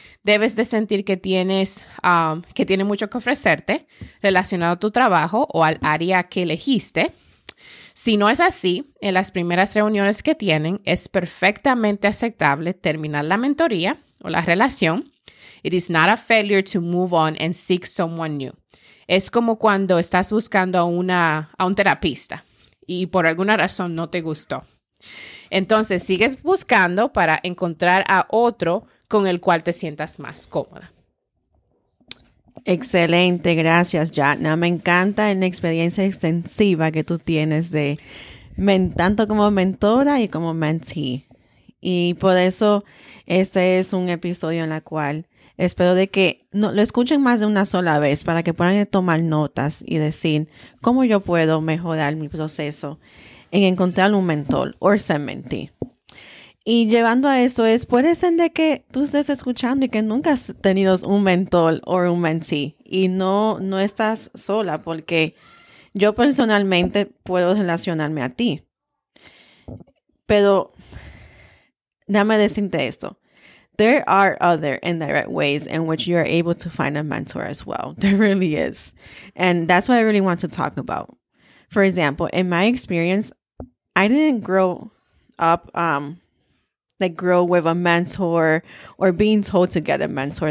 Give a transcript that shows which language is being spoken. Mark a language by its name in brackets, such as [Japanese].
[Spanish] Debes de sentir que tiene mucho que ofrecerte relacionado a tu trabajo o al área que elegiste. Si no es así, en las primeras reuniones que tienen, es perfectamente aceptable terminar la mentoría o la relación. [English] It is not a failure to move on and seek someone new. [Spanish] Es como cuando estás buscando a un terapista y por alguna razón no te gustó. Entonces, sigues buscando para encontrar a otro con el cual te sientas más cómoda. Excelente, gracias, Jatna. Me encanta la experiencia extensiva que tú tienes tanto como mentora y como mentee. Y por eso este es un episodio en el cual espero de que lo escuchen más de una sola vez para que puedan tomar notas y decir cómo yo puedo mejorar mi proceso en encontrar un mentor o ser mentee. Y llevando a eso es, puede ser de que tú estés escuchando y que nunca has tenido un mentor o un mentee. Y no estás sola, porque yo personalmente puedo relacionarme a ti. Pero déjame decirte esto. [English] There are other indirect ways in which you are able to find a mentor as well. There really is. And that's what I really want to talk about. For example, in my experience, I didn't grow up grow with a mentor or being told to get a mentor.